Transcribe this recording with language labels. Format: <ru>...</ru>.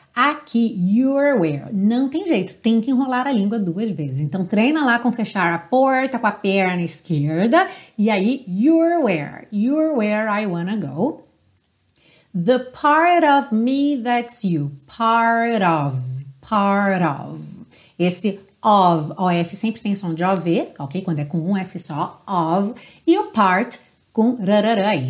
<en>Aqui, you're where.</en> <pt>Não tem jeito, tem que enrolar a língua duas vezes. Então, treina lá com fechar a porta com a perna esquerda.</pt> <en>E aí, you're where I wanna go. The part of me that's you. Part of, part of.</en> <pt>Esse of, O-F, sempre tem som de O-V, ok? Quando é com um F só, of. E o part com rarara aí.</pt>